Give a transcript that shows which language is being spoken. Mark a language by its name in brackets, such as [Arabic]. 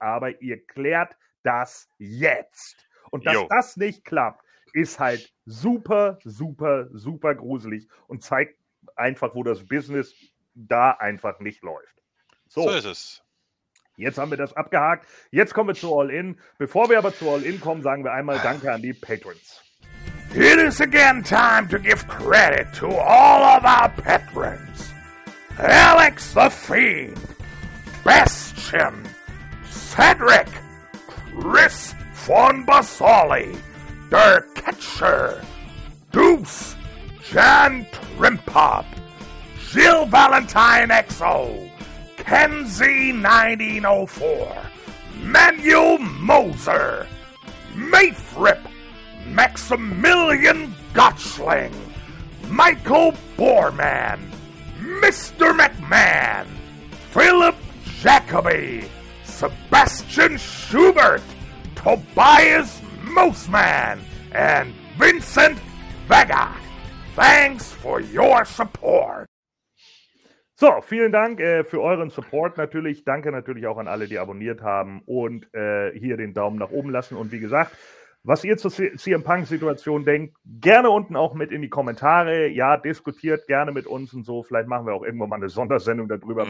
[German] Aber ihr klärt das jetzt. Und dass das nicht klappt, ist halt super, super, super gruselig und zeigt einfach, wo das Business da einfach nicht läuft. So, so ist es. Jetzt haben wir das abgehakt. Jetzt kommen wir zu All-In. Bevor wir aber zu All-In kommen, sagen wir einmal Danke an die Patrons. [English] It is again time to give credit to all of our patrons. Alex the Fiend, Bastion, Cedric, Chris von Basali, Der Ketcher, Deuce, Jan Trimpop, Jill Valentine XO, Kenzie 1904, Manuel Moser, Mayfrip, Maximilian Gotchling, Michael Boorman, Mr. McMahon, Philip Jacoby, Sebastian Schubert, Tobias Moseman, and Vincent Vega. Thanks for your support. [German] So, vielen Dank für euren Support natürlich. Danke natürlich auch an alle, die abonniert haben und hier den Daumen nach oben lassen. Und wie gesagt, was ihr zur CM Punk-Situation denkt, gerne unten auch mit in die Kommentare. Ja, diskutiert gerne mit uns und so. Vielleicht machen wir auch irgendwo mal eine Sondersendung darüber. Mhm.